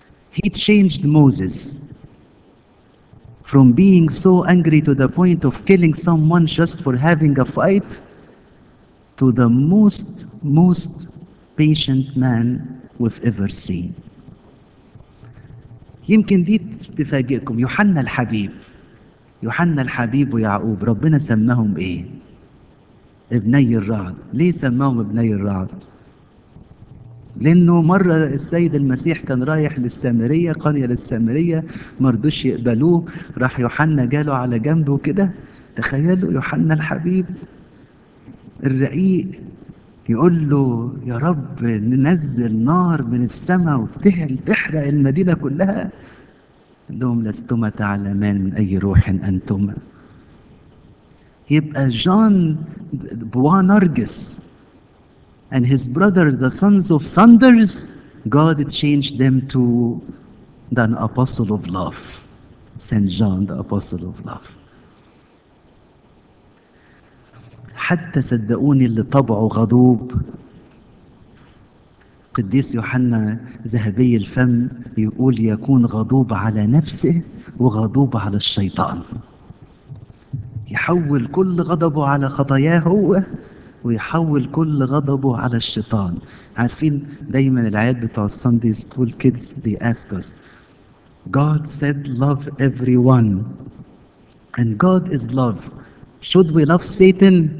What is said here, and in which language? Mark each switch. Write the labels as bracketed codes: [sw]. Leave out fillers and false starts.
[en] He changed Moses from being so angry to the point of killing someone just for having a fight to the most, most patient man we've ever seen. [ar] يمكن دي تفاجئكم, يوحنا الحبيب يوحنا الحبيب ويعقوب، ربنا سماهم ايه؟ ابني الرعد. ليه سماهم ابني الرعد؟ لانه مره السيد المسيح كان رايح للسامريه، قريه للسامريه، مرضوش يقبلوه، راح يوحنا جاله على جنبه كده، تخيلوا يوحنا الحبيب الرقيق يقول له يا رب ننزل نار من السماء وتهل تحرق المدينه كلها، قال لهم لستما تعلمان من اي روح انتما. يبقى جان بوا نرجس [en] and his brother the sons of thunders, God changed them to the apostle of love, Saint John the apostle of love. [ar] حتى صدقوني اللي طبعه غضوب، قديس يوحنا ذهبي الفم يقول يكون غضوب على نفسه وغضوب على الشيطان، يحول كل غضبه على خطاياه هو ويحول كل غضبه على الشيطان. عارفين دايما العيال بتوع [en] Sunday school kids they ask us God said love everyone and God is love, should we love Satan?